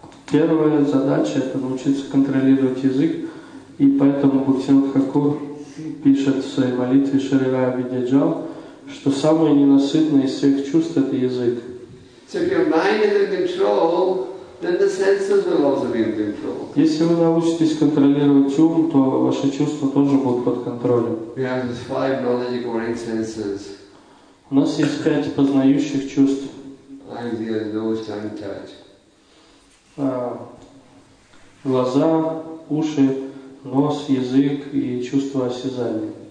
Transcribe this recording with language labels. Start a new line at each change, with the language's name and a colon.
Russian: Первая задача — это научиться контролировать язык, и поэтому Бхактисиддханта Тхакур пишет в своей молитве Шарира Абидья Джал, что самое ненасытное из всех чувств — это язык.
English: So if your mind is in control, then the senses will also be in control.
Russian: Если вы научитесь контролировать ум, то ваши чувства тоже будут под контролем.
English: We have these five knowledge-oriented senses.
Russian: У нас есть пять познающих чувств.
English: Eyes, nose, tongue, touch.
Russian: Глаза, уши, нос, язык и чувства осязания.